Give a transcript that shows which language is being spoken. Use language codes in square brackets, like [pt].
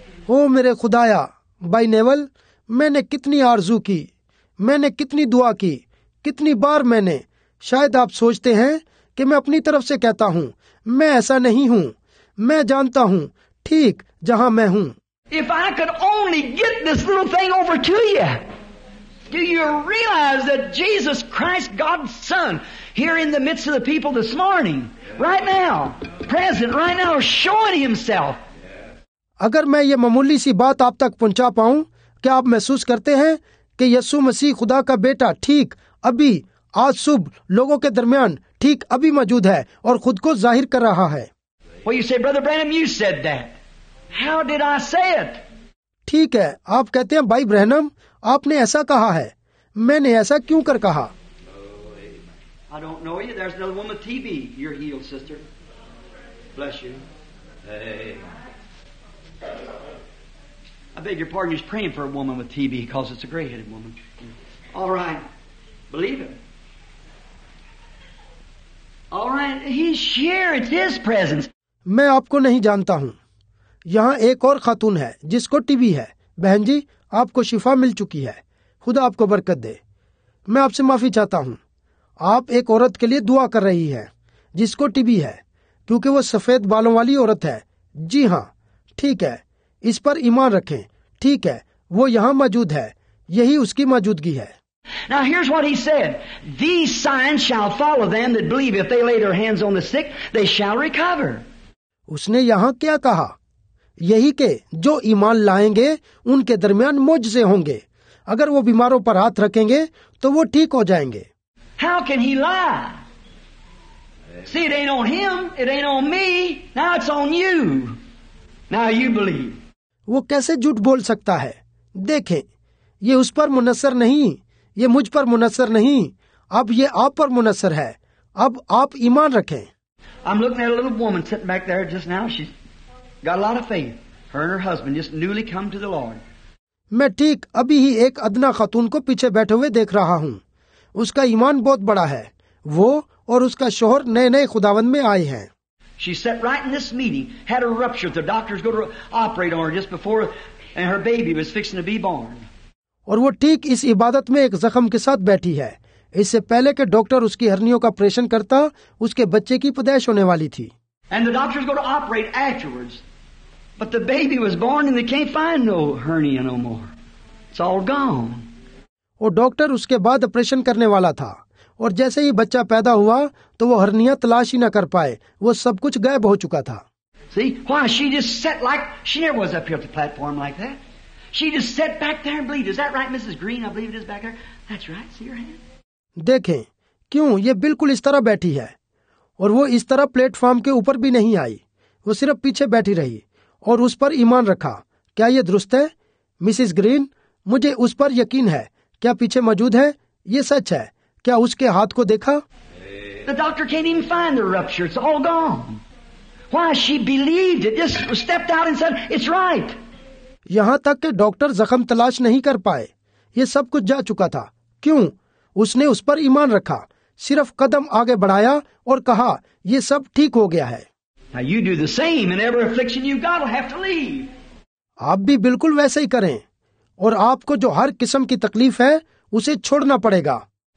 [hi] ओ मेरे खुदाया, भाई नेवल, मैंने कितनी आरजू की, मैंने कितनी दुआ की, कितनी बार मैंने, शायद आप सोचते हैं कि मैं अपनी तरफ से कहता हूँ, मैं ऐसा नहीं हूँ. मैं जानता हूँ ठीक जहाँ मैं हूँ. [en] If I could only get this little thing over to you, do you realize that Jesus Christ, God's Son, here in the midst of the people this morning, right now, present, right now, showing Himself? [hi] अगर मैं ये मामूली सी बात आप तक पहुँचा पाऊँ, क्या आप महसूस करते हैं कि यीशु मसीह खुदा का बेटा ठीक अभी आज सुबह लोगों के दरमियान ठीक अभी मौजूद है और खुद को जाहिर कर रहा है? [en] Well, you say, Brother Branham, you said that. How did I say it? [hi] ठीक है, आप कहते हैं भाई ब्रहनम, आपने ऐसा कहा है. मैंने ऐसा क्यों कर कहा? [en] I don't know you. There's another woman, TB. You're healed, sister. Bless you. Hey. I beg your pardon. He's praying for a woman with TB because it's a gray-headed woman. All right. Believe him. All right. He's here. It's his presence. [hi] मैं आपको नहीं जानता हूँ. यहाँ एक और खातून है जिसको टीबी है। बहन जी, आपको शिफा मिल चुकी है, खुदा आपको बरकत दे। मैं आपसे माफी चाहता हूँ, आप एक औरत के लिए दुआ कर रही हैं जिसको टीबी है, क्योंकि वो सफेद बालों वाली औरत है। जी हाँ, ठीक है, इस पर ईमान रखें। ठीक है, वो यहाँ मौजूद है, यही उसकी मौजूदगी है। [en] Now here's what he said. These signs shall follow them that believe. If they lay their hands on the sick, they shall recover. [hi] उसने यहाँ क्या कहा? यही के जो ईमान लाएंगे उनके दरमियान मौजज़े होंगे। अगर वो बीमारों पर हाथ रखेंगे तो वो ठीक हो जाएंगे। [en] How can he lie? See, it ain't on him, it ain't on me. Now it's on you. Now you believe. [hi] वो कैसे झूठ बोल सकता है? देखें, ये उस पर मुनसर नहीं, ये मुझ पर मुनसर नहीं, अब ये आप पर मुनसर है। अब आप ईमान रखें। [en] I'm looking at a little woman sitting back there just now. She's got a lot of faith. Her and her husband just newly come to the Lord. [hi] मैं ठीक अभी ही एक अदना खातून को पीछे बैठे हुए देख रहा हूँ। उसका ईमान बहुत बड़ा है। वो और उसका शोहर नए नए खुदावंद में आए हैं। [en] She sat right in this meeting, had a rupture. The doctors go to operate on her just before, and her baby was fixing to be born. [hi] और वो ठीक इस इबादत में एक जख्म के साथ बैठी है, इससे पहले के डॉक्टर उसकी हरनियों का ऑपरेशन करता, उसके बच्चे की पैदाइश होने वाली थी। [en] And the doctors go to operate afterwards, but the baby was born and they can't find no hernia no more. It's all gone. [hi] और डॉक्टर उसके बाद ऑपरेशन करने वाला था, और जैसे ही बच्चा पैदा हुआ तो वो हरनिया तलाश ही न कर पाए, वो सब कुछ गायब हो चुका था। [en] See, why she just sat like she never was up here at the platform like that. She just sat back there and bleed. Is that right, Mrs. Green? I believe it is back there. That's right. See your hand? [hi] देखें, क्यों ये बिल्कुल इस तरह बैठी है, और वो इस तरह प्लेटफॉर्म के ऊपर भी नहीं आई, वो सिर्फ पीछे बैठी रही और उस पर ईमान रखा। क्या ये दुरुस्त है, मिसिस ग्रीन? मुझे उस पर यकीन है। क्या पीछे मौजूद है? ये सच है। क्या उसके हाथ को देखा? [en] The doctor can't even find the rupture. It's all gone. Why she believed it? Just stepped out and said, "It's right." [hi] यहाँ तक कि डॉक्टर जख्म तलाश नहीं कर पाए, ये सब कुछ जा चुका था। क्यों? उसने उस पर ईमान रखा, सिर्फ कदम आगे बढ़ाया और कहा, ये सब ठीक हो गया है। [en] Now you do the same, and every affliction you've got will have to leave. [hi] आप भी बिल्कुल वैसे ही करें, और आपको जो हर किस्म की तकलीफ है उसे छोड़ना पड़ेगा।